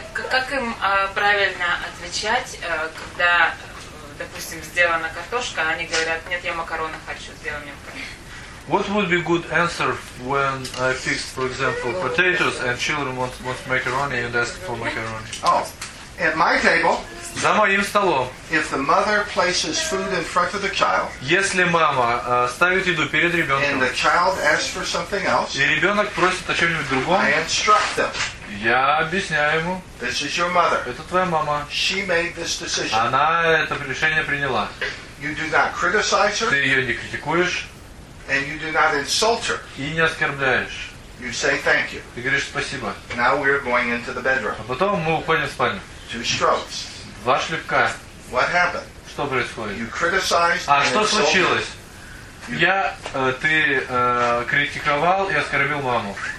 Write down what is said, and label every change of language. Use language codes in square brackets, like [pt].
[ru] Как им правильно отвечать, когда, допустим, сделана картошка, а они говорят, нет, я макароны хочу, сделай мне макароны. [en] What would be good answer when I fix, for example, potatoes and children want macaroni and ask for macaroni? Oh, at my table, [ru] за моим столом, [en] if the mother places food in front of the child, [ru] если мама ставит еду перед ребенком, [en] and the child asks for something else, [ru] и ребенок просит о чем-нибудь другом, [en] I instruct them. [ru] Я объясняю ему. [en] This is your mother. [ru] Это твоя мама. [en] She made this decision. [ru] Она это решение приняла. [en] You do not criticize her. [ru] Ты ее не критикуешь. [en] and you do not insult her. [ru] И не оскорбляешь. [en] You say thank you. [ru] Ты говоришь спасибо. [en] Now we are going into the bedroom. [ru] А потом мы уходим в спальню. [en] Two strokes. [ru] Два шлепка. [en] What happened? [ru] Что происходит? [en] You criticized. [ru] А что случилось? Я ты критиковал и оскорбил маму.